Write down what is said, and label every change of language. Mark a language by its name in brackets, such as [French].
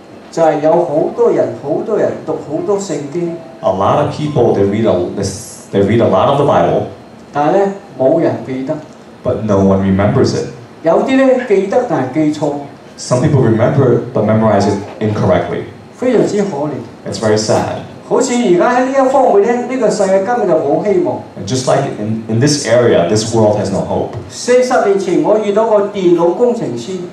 [Cantonese] 就是有很多人读很多圣经。 [English] A lot of people they read a lot of the Bible. [Cantonese] 但呢，冇人记得。 [English] But no one remembers it. [Cantonese] 有啲呢记得但系记错。 [English] Some people remember but memorize it incorrectly. [Cantonese] 非常之可怜。 [English] It's very sad. [Cantonese] 好似而家喺呢一方面咧，呢个世界根本就冇希望。 [English] And just like in this area, this world has no hope. [Cantonese] 40年前我遇到个电脑工程师。